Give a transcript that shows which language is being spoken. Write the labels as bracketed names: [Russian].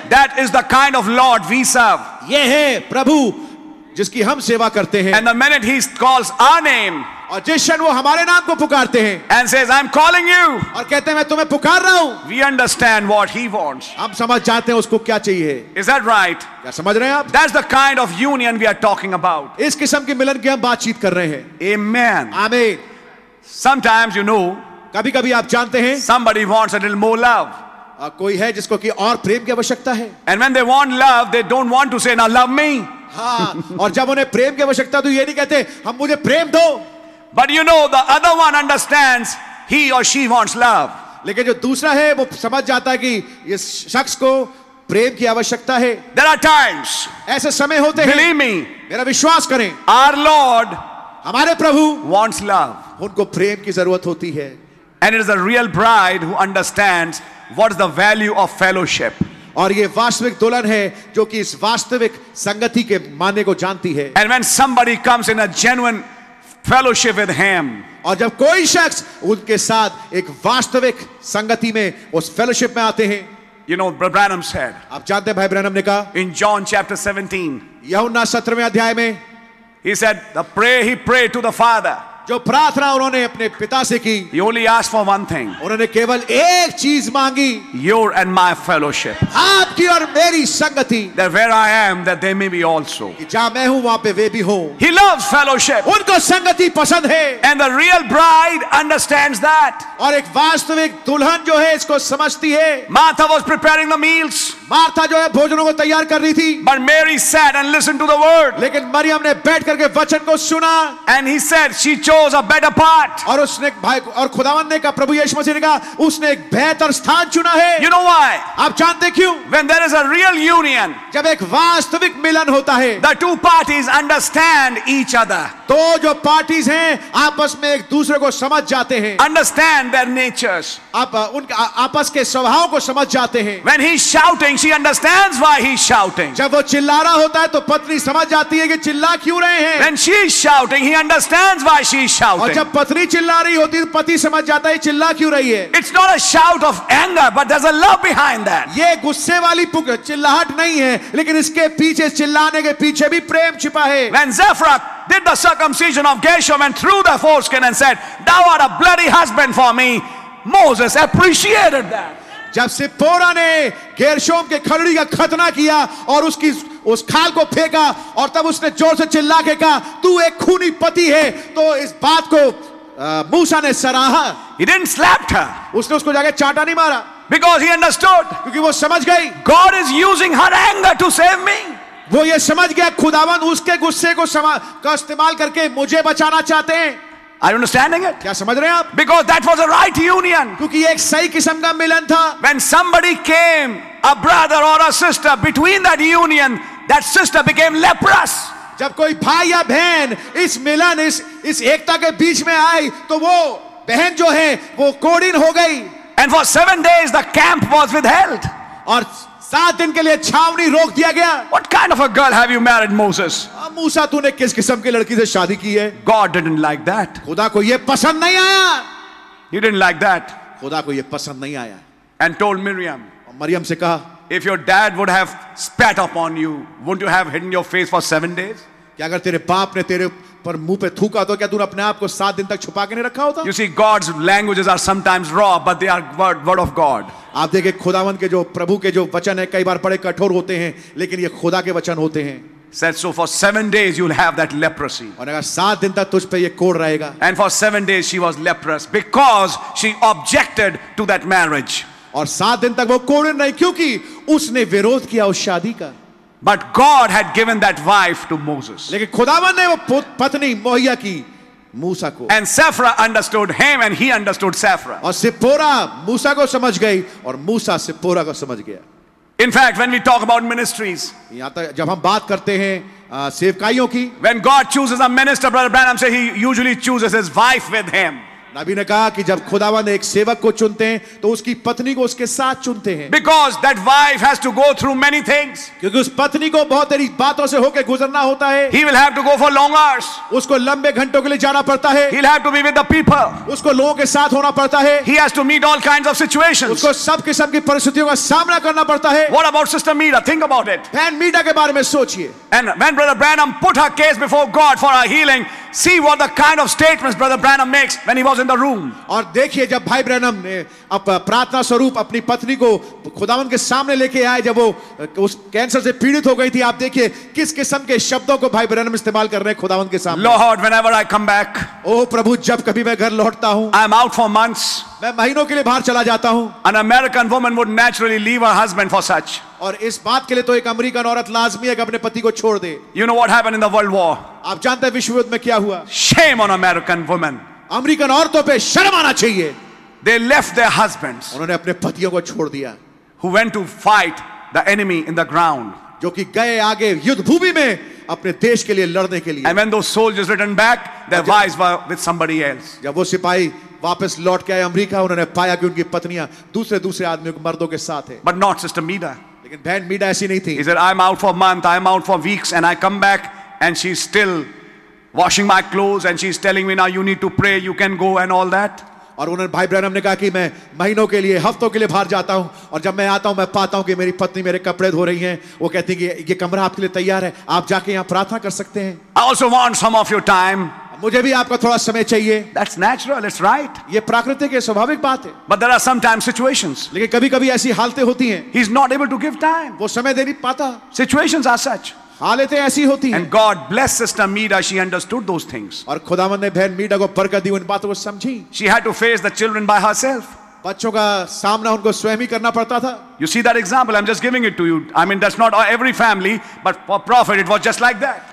[English] That is the kind of Lord we serve. [Hindi] ये है प्रभु जिसकी हम सेवा करते हैं. [English] And the minute he calls our name. [Hindi] और जिस क्षण वो हमारे नाम को पुकारते हैं. [English] And says I'm calling you. [Hindi] और कहते हैं मैं तुम्हें पुकार रहा हूं. [English] We understand what he wants. [Hindi] हम समझ जाते हैं उसको क्या चाहिए. [English] Is that right? [Hindi] क्या समझ रहे हैं आप. [English] That's the kind of union we are talking about. [Hindi] इस किस्म के मिलन की हम बातचीत कर रहे हैं. [English] Amen. Amen. Sometimes you know. [Hindi] कभी कभी आप जानते हैं. [English] Somebody wants a little more love. [Hindi] कोई है जिसको कि और प्रेम की आवश्यकता है. [English] And when they want love, they don't want to say, "Now love me." [Hindi] हाँ, और जब उन्हें प्रेम की आवश्यकता तो ये नहीं कहते हम मुझे प्रेम दो. [English] But you know the other one understands he or she wants love. [Hindi] लेकिन जो दूसरा है वो समझ जाता है कि इस शख्स को प्रेम की आवश्यकता है. [English] There are times. [Hindi] ऐसे समय होते हैं. [English] Believe me. [Hindi] मेरा विश्वास करें. [English] Our Lord. [Hindi] हमारे प्रभु. [English] Wants love. [Hindi] उनको प्रेम की जरूरत होती है. [English] And it is a real bride who understands what is the value of fellowship. [Hindi] और ये वास्तविक दुल्हन है जो कि इस वास्तविक संगति के माने को जानती है. [English] And when somebody comes in a genuine fellowship with him. [Hindi] और जब कोई शख्स उनके साथ एक वास्तविक संगति में उस fellowship में आते हैं. [English] You know, Branham said. [Hindi] आप जानते हैं भाई ब्रैनम ने कहा. [English] In John chapter 17. [Hindi] यूहन्ना 17वें अध्याय में. [English] He said the prayer he prayed to the Father. [Hindi] जो प्रार्थना उन्होंने अपने पिता से की, [English] he only asked for one thing. [Hindi] उन्होंने केवल एक चीज मांगी, [English] your and my fellowship. [Hindi] आपकी और मेरी संगति. [English] That where I am, that they may be also. [Hindi] कि जहाँ मैं हूँ वहाँ पे वे भी हो. [English] He loves fellowship. [Hindi] उनको संगति पसंद है. [English] And the real bride understands that. [Hindi] और एक वास्तविक दुल्हन जो है इसको समझती है. [English] Martha was preparing the meals. [Hindi] Martha जो है भोजनों को तैयार कर रही थी. [English] But Mary sat and listened to the word. [Hindi] लेकिन मरियम ने बैठ करके वचन को सुना. [English] And he said she chose a better part. [Hindi] और उसने भाई और खुदावन ने कहा, प्रभु यीशु मसीह ने कहा, उसने एक बेहतर स्थान चुना है. [English] You know why? [Hindi] आप जानते क्यों? [English] When there is a real union, [Hindi] जब एक वास्तविक मिलन होता है, [English] the two parties understand each other. [Hindi] तो जो parties हैं, आपस में एक दूसरे को समझ जाते हैं. [English] Understand their natures. [Hindi] आप उनके आपस के स्वभाव को समझ जाते हैं. [English] When he's shouting, she understands why he's shouting. [Hindi] जब वो चिल्ला रहा होता है, तो पत्नी समझ जाती है कि चिल्ला क्यों रहे हैं. [English] When she's shouting, he understands why she's shouting. [Hindi] और जब पत्नी चिल्ला रही होती है, पति समझ जाता है चिल्ला क्यों रही है. [English] It's not a shout of anger, but there's a love behind that. [Hindi] ये गुस्से वाली चिल्लाहट नहीं है, लेकिन इसके पीछे चिल्लाने के पीछे भी प्रेम छिपा है. [English] When Zephra did the circumcision of Geshem and threw the foreskin and said, "Thou art a bloody husband for me," Moses appreciated that. [Hindi] जब सिप्पोरा ने गेरशोम के खलड़ी का खतना किया और उसकी उस खाल को फेंका और तब उसने जोर से चिल्ला के कहा, "तू एक खूनी पति है," तो इस बात को मूसा ने सराहा. [English] He didn't slapped her. [Hindi] उसने उसको जाके चाटा नहीं मारा. [English] Because he understood. [Hindi] क्योंकि वो समझ गई. [English] God is using her anger to save me. [Hindi] वो ये समझ गया खुदावन उसके गुस्से को का इस्तेमाल करके मुझे बचाना चाहते हैं. [English] Are you understanding it? [Hindi] क्या समझ रहे हैं आप? [English] Because that was a right union. [Hindi] क्योंकि ये एक सही किस्म का मिलन था. [English] When somebody came, a brother or a sister, between that union, that sister became leprous. [Hindi] जब कोई भाई या बहन इस मिलन इस एकता के बीच में आई, तो वो बहन जो है वो कोढ़िन हो गई. [English] And for 7 days the camp was withheld. [Hindi] और 7 दिन के लिए छावनी रोक दिया गया. [English] What kind of a girl have you married, Moses? [Hindi] मूसा तूने किस किस्म की लड़की से शादी की है? [English] God didn't like that. [Hindi] खुदा को ये पसंद नहीं आया. [English] He didn't like that. [Hindi] खुदा को ये पसंद नहीं आया. [English] And told Miriam. [Hindi] और मरियम से कहा, [English] If your dad would have spat upon you, wouldn't you have hidden your face for 7 days? [Hindi] क्या अगर तेरे बाप ने तेरे पर मुंह पे थूका तो क्या तूने अपने आप को 7 दिन तक छुपा के नहीं रखा होता? [English] You see, God's languages are sometimes raw, but they are word of God. [Hindi] आप देखें खुदावन के जो प्रभु के जो वचन है कई बार बड़े कठोर होते हैं, लेकिन ये खुदा के वचन होते हैं. [English] Said so for 7 days you'll have that leprosy. [Hindi] और अगर 7 दिन तक तुझ पे ये कोढ़ रहेगा. [English] And for 7 days she was leprous because she objected to that marriage. [Hindi] और 7 दिन तक वो कोढ़ रही क्योंकि उसने विरोध किया उस शादी का. [English] But God had given that wife to Moses. [Hindi] लेकिन खुदावन ने वो पत्नी मुहैया की मूसा को. [English] And Sephra understood him and he understood Sephra. [Hindi] और सिप्पोरा मूसा को समझ गई और मूसा सिप्पोरा को समझ गया. [English] In fact, when we talk about ministries, [Hindi] जब हम बात करते हैं सेवकाइयों की, [English] when God chooses a minister, Brother Branham says he usually chooses his wife with him. [Hindi] नबी ने कहा कि जब खुदावन एक सेवक को चुनते हैं तो उसकी पत्नी को उसके साथ चुनते हैं. [English] Because that wife has to go through many things. [Hindi] क्योंकि उस पत्नी को बहुत सारी बातों से होकर गुजरना होता है. [English] He will have to go for long hours. [Hindi] उसको लंबे घंटों के लिए जाना पड़ता है. [English] He'll have to be with the people. [Hindi] उसको लोगों के साथ होना पड़ता है. [English] He has to meet all kinds of situations. [Hindi] उसको सब किस्म की परिस्थितियों का सामना करना पड़ता है. [English] What about Sister Meera? Think about it. [Hindi] बहन मीरा के बारे में सोचिए. [English] And when Brother Branham put her case before God for her healing, see what the kind of statements Brother Branham makes when he was in the room. [Hindi] और देखिए जब भाई Branham ने प्रार्थना स्वरूप अपनी पत्नी को खुदावन के सामने लेके आए, जब वो उस कैंसर से पीड़ित हो गई थी, आप देखिए किस किस्म के शब्दों को भाई ब्रैनम इस्तेमाल कर रहे हैं खुदावन के सामने. [English] Lord, whenever I come back, [Hindi] ओ प्रभु जब कभी मैं घर लौटता हूँ, [English] I am out for months. [Hindi] मैं महीनों के लिए बाहर चला जाता हूँ. [English] An American woman would naturally leave her husband for such. [Hindi] और इस बात के लिए तो एक अमेरिकन औरत लाजमी है कि अपने पति को छोड़ दे. [English] You know what happened in the world war? [Hindi] आप जानते हैं विश्व युद्ध में क्या हुआ? [English] Shame on American women. [Hindi] American औरतों पे शर्म आना चाहिए. [English] They left their husbands. [Hindi] उन्होंने अपने पतियों को छोड़ दिया. [English] Who went to fight the enemy in the ground? [Hindi] जो कि गए आगे युद्ध भूमि में अपने देश के लिए लड़ने के लिए. [English] And when those soldiers returned back, their wives were with somebody else. [Hindi] जब वो सिपाही वापस लौट के आए अमेरिका, उन्होंने पाया कि उनकी पत्नियां दूसरे आदमियों के मर्दों के साथ है. [English] But not Sister Meera. [Hindi] लेकिन बहन मीरा ऐसी नहीं थी. [English] He said, I'm out for a month, I'm out for weeks, and I come back and she's still washing my clothes and she's telling me now you need to pray, you can go and all that. [Hindi] और उन्होंने भाई Branham ने कहा कि मैं महीनों के लिए हफ्तों के लिए बाहर जाता हूं और जब मैं आता हूं मैं पाता हूं कि मेरी पत्नी मेरे कपड़े धो रही हैं. वो कहती है कि ये कमरा आपके लिए तैयार है, आप जाके यहां प्रार्थना कर सकते हैं. [English] I also want some of your time. [Hindi] मुझे भी आपका थोड़ा समय चाहिए. [English] That's natural, it's right. [Hindi] ये प्राकृतिक है, स्वाभाविक बात है. [English] But there are sometimes situations. [Hindi] लेकिन कभी-कभी ऐसी हालतें होती हैं. [English] He's not able to give time. [Hindi] वो समय दे नहीं पाता. [English] Situations are such. [Hindi] हालतें ऐसी होती हैं. [English] And God blessed Sister Meera. She understood those things. [Hindi] और खुदावंद ने बहन मीरा को बरकत दी, उन बातों को समझी. [English] She had to face the children by herself. [Hindi] बच्चों का सामना उनको स्वयं ही करना पड़ता था. [English] You see that example? I'm just giving it to you. I mean, that's not every family, but for prophet, it was just like that.